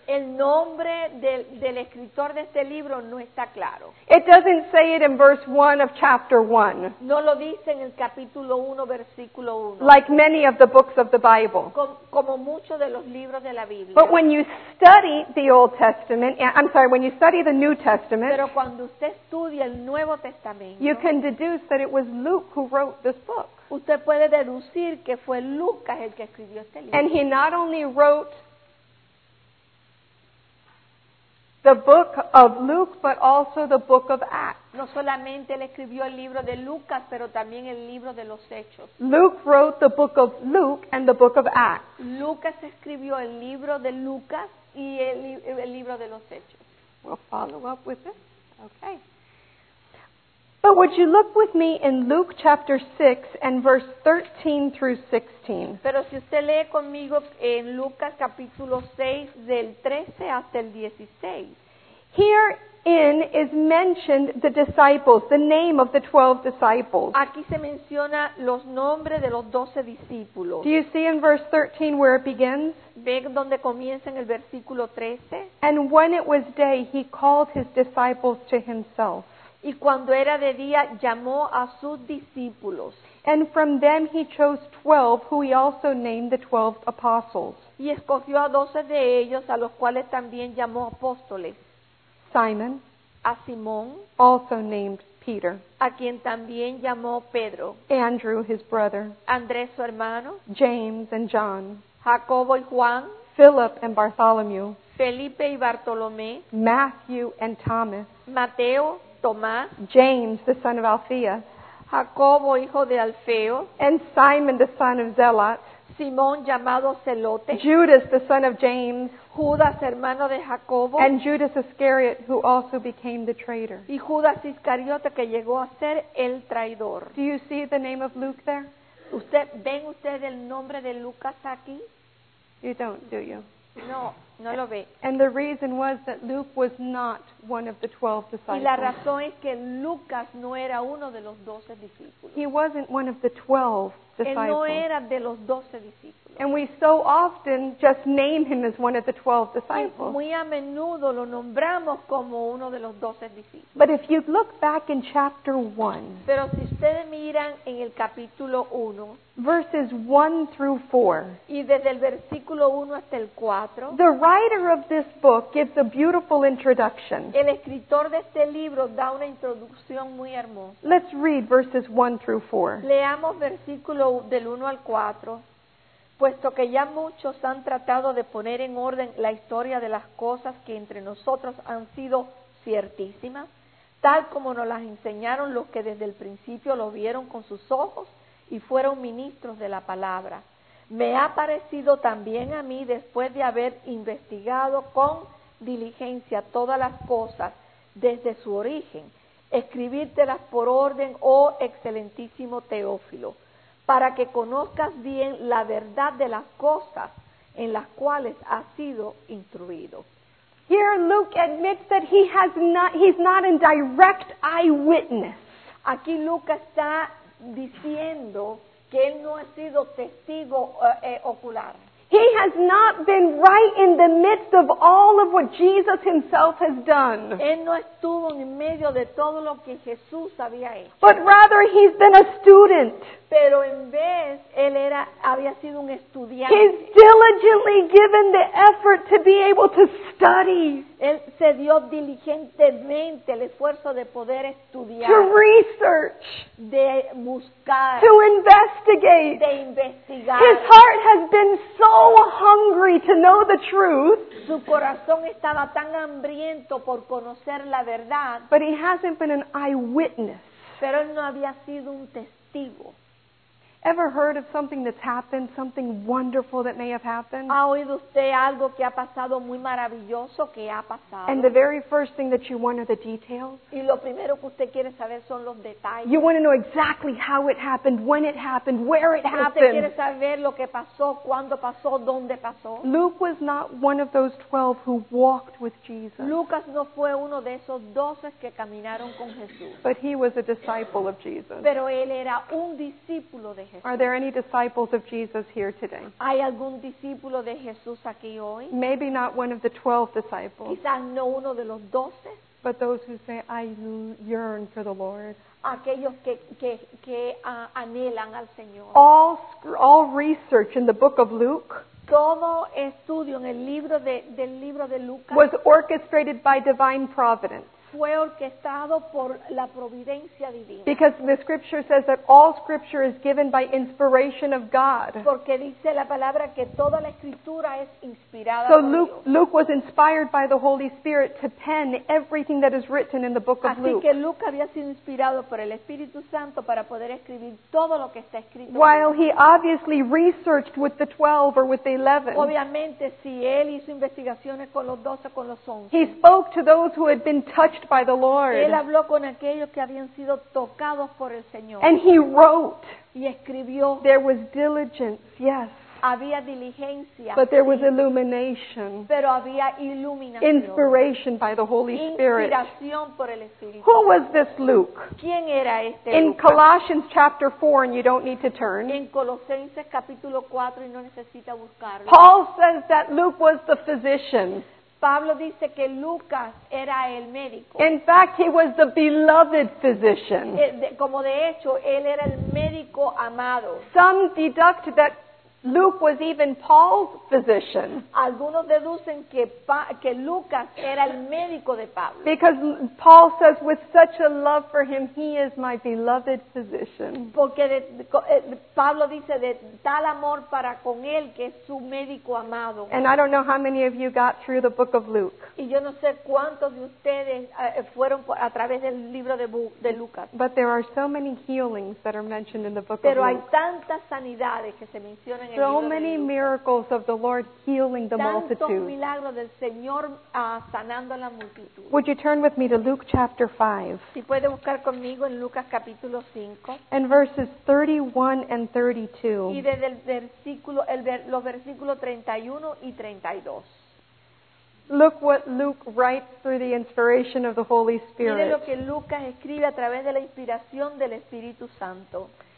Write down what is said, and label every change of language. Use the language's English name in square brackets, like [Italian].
[Spanish] El nombre del escritor de este libro no está claro. [English] It doesn't say it in verse 1 of chapter 1. [Spanish] No lo dice en el capítulo 1, versículo 1. [English] Like many of the books of the Bible. [Spanish] Como muchos de los libros de la Biblia. [English] But when you study the Old Testament, I'm sorry, when you study the New Testament, [Spanish] pero cuando usted estudia el Nuevo Testamento, [English] you can deduce that it was Luke who wrote this book. [Spanish] Usted puede deducir que fue Lucas el que escribió este libro. [English] And he not only wrote the book of Luke, but also the book of Acts. [Spanish] No solamente él escribió el libro de Lucas, pero también el libro de los Hechos. [English] Luke wrote the book of Luke and the book of Acts. [Spanish] Lucas escribió el libro de Lucas y el libro de los Hechos. [English] We'll follow up with it. Okay. But would you look with me in Luke chapter 6 and verse 13 through 16? [Spanish] Pero si usted lee conmigo en Lucas capítulo 6 del 13 hasta el 16. [English] Herein is mentioned the disciples, the name of the 12 disciples. [Spanish] Aquí se menciona los nombres de los 12 discípulos. [English] Do you see in verse 13 where it begins? [Spanish] ¿Ve donde comienza en el versículo 13? [English] And when it was day, he called his disciples to himself. [Spanish] Y cuando era de día, llamó a sus discípulos. [English] And from them he chose 12, who he also named the 12 apostles. [Spanish] Y escogió a 12 de ellos, a los cuales también llamó apóstoles. [English] Simon, [Spanish] a Simón, [English] also named Peter. [Spanish] A quien también llamó Pedro. [English] Andrew, his brother. [Spanish] Andrés, su hermano. [English] James and John. [Spanish] Jacobo y Juan. [English] Philip and Bartholomew. [Spanish] Felipe y Bartolomé. [English] Matthew and Thomas. [Spanish] Mateo. Tomás, [English] James, the son of Alphaeus, [Spanish] Jacobo, hijo de Alfeo, [English] and Simon, the son of Zelot, [Spanish] Simón, llamado Zelote, [English] Judas, the son of James, [Spanish] Judas, hermano de Jacobo, [English] and Judas Iscariot, who also became the traitor. [Spanish] Y Judas Iscariote, que llegó a ser el traidor. [English] Do you see the name of Luke there? [Spanish] ¿Ven usted el nombre de Lucas aquí? [English] You don't, do you? [Spanish] No lo ve. [English] And the reason was that Luke was not one of the 12 disciples. [Spanish] Y la razón es que Lucas no era uno de los 12 discípulos. [English] He wasn't one of the 12 disciples. [Spanish] Él no era de los 12 discípulos. [English] And we so often just name him as one of the 12 disciples. [Spanish] Y muy a menudo lo nombramos como uno de los 12 discípulos. [English] But if you look back in chapter 1, [Spanish] pero si ustedes miran en el capítulo 1, [English] verses 1 through 4, [Spanish] y desde el versículo 1 hasta el 4, [English] the writer of this book gives a beautiful introduction. [Spanish] El escritor de este libro da una introducción muy hermosa. [English] Let's read verses 1 through 4. [Spanish] Leamos versículo del 1 al 4. Puesto que ya muchos han tratado de poner en orden la historia de las cosas que entre nosotros han sido ciertísimas, tal como nos las enseñaron los que desde el principio lo vieron con sus ojos y fueron ministros de la palabra. Me ha parecido también a mí, después de haber investigado con diligencia todas las cosas desde su origen, escribírtelas por orden, oh excelentísimo Teófilo, para que conozcas bien la verdad de las cosas en las cuales has sido instruido. [English] Here Luke admits that he's not a direct eyewitness. [Spanish] Aquí Lucas está diciendo que él no ha sido testigo ocular. [English] He has not been right in the midst of all of what Jesus himself has done. [Spanish] Él no estuvo en medio de todo lo que Jesús había hecho. [English] But rather he's been a student. [Spanish] Pero en vez, él era, había sido un estudiante. [English] He's diligently given the effort to be able to study. [Spanish] Él se dio diligentemente el esfuerzo de poder estudiar. [English] To research. [Spanish] De buscar. [English] To investigate. [Spanish] De investigar. [English] His heart has been so hungry to know the truth. [Spanish] Su corazón estaba tan hambriento por conocer la verdad. [English] But he hasn't been an eyewitness. [Spanish] Pero él no había sido un testigo. [English] Ever heard of something that's happened, something wonderful that may have happened? [Spanish] ¿Ha oído usted algo que ha pasado muy maravilloso que ha pasado? [English] And the very first thing that you want are the details. [Spanish] Y lo primero que usted quiere saber son los detalles. [English] You want to know exactly how it happened, when it happened, where it happened. [Spanish] Usted quiere saber lo que pasó, cuándo pasó, dónde pasó. [English] Luke was not one of those 12 who walked with Jesus. [Spanish] Lucas no fue uno de esos 12 que caminaron con Jesús. [English] But he was a disciple of Jesus. [Spanish] Pero él era un discípulo. [English] Are there any disciples of Jesus here today? [Spanish] ¿Hay algún discípulo de Jesús aquí hoy? [English] Maybe not one of the 12 disciples. [Spanish] Quizás no uno de los 12. [English] But those who say, I yearn for the Lord. [Spanish] Aquellos que anhelan al Señor. [English] All research in the book of Luke. [Spanish] Todo estudio en el libro del libro de Lucas. [English] Was orchestrated by divine providence. [Spanish] Fue orquestado por la providencia divina. [English] Because the scripture says that all scripture is given by inspiration of God. [Spanish] Porque dice la palabra que toda la escritura es inspirada. [English] So Luke was inspired by the Holy Spirit to pen everything that is written in the book of Luke. [Spanish] Así que Luke había sido inspirado por el Espíritu Santo para poder escribir todo lo que está escrito. [English] While he obviously researched with the 12 or with the 11. [Spanish] Obviamente si él hizo investigaciones con los 12 o con los 11. [English] He spoke to those who had been touched by the Lord. [Spanish] Él habló con aquellos que habían sido tocados por el Señor. [English] And he wrote. [Spanish] Y escribió. [English] There was diligence, yes. [Spanish] Había diligencia. [English] But there was illumination. [Spanish] Pero había iluminación. [English] Inspiration by the Holy Spirit. [Spanish] Inspiración por el Espíritu. [English] Who was this Luke? [Spanish] ¿Quién era este Luke? [English] In Colossians chapter 4, and you don't need to turn. [Spanish] En Colosenses capítulo 4 y no necesita buscarlo. [English] Paul says that Luke was the physician. [Spanish] Pablo dice que Lucas era el médico. [English] In fact, he was the beloved physician. [Spanish] Como de hecho, él era el médico amado. [English] Some deduct that Luke was even Paul's physician. [Spanish] Algunos deducen que Lucas era el médico de Pablo. [English] Because Paul says, with such a love for him, he is my beloved physician. [Spanish] Porque Pablo dice de tal amor para con él que es su médico amado. [English] And I don't know how many of you got through the book of Luke. [Spanish] Y yo no sé cuántos de ustedes fueron a través del libro de Lucas. [English] But there are so many healings that are mentioned in the book [Spanish] Pero [English] of [Spanish] hay [English] Luke. [Spanish] Pero hay tantas sanidades que se mencionan. [English] So many miracles of the Lord healing the multitude. [Spanish] Tantos milagros del Señor sanando la multitud. [English] Would you turn with me to Luke chapter 5? [Spanish] Si puede buscar conmigo en Lucas capítulo 5. [English] And verses 31 and 32. [Spanish] Y desde los versículos 31 y 32. [English] Look what Luke writes through the inspiration of the Holy Spirit. [Spanish] Mire lo que Lucas escribe a través de la inspiración del Espíritu Santo.